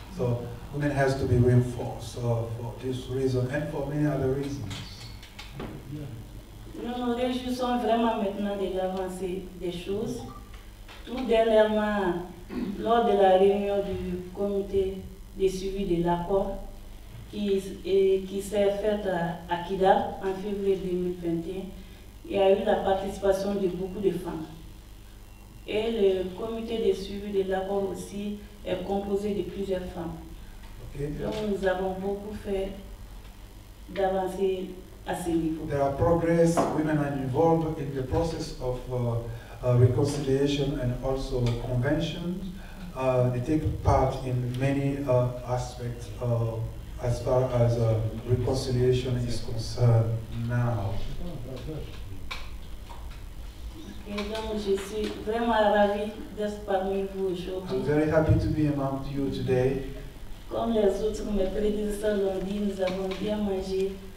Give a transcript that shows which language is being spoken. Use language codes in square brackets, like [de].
[en] So women has to be reinforced for this reason and for many other reasons. [fr] Nous nous réjouissons vraiment maintenant de l'avancée des choses. Tout dernièrement, lors de la réunion du comité de suivi de l'accord qui s'est faite à Kidal en février 2021, il y a eu la participation de beaucoup de femmes. Et le comité de suivi de l'accord aussi est composé de plusieurs femmes. [en] Okay. [fr] Donc nous avons beaucoup fait d'avancer à ce niveau. [en] There are progress, women are involved in the process of reconciliation and also conventions. They take part in many aspects as far as reconciliation is concerned now. [fr] Et donc, je suis vraiment ravie d'être parmi vous aujourd'hui. [en] I'm very happy to be among you today. [fr] Comme les autres, mes prédécesseurs l'ont dit, nous avons bien mangé.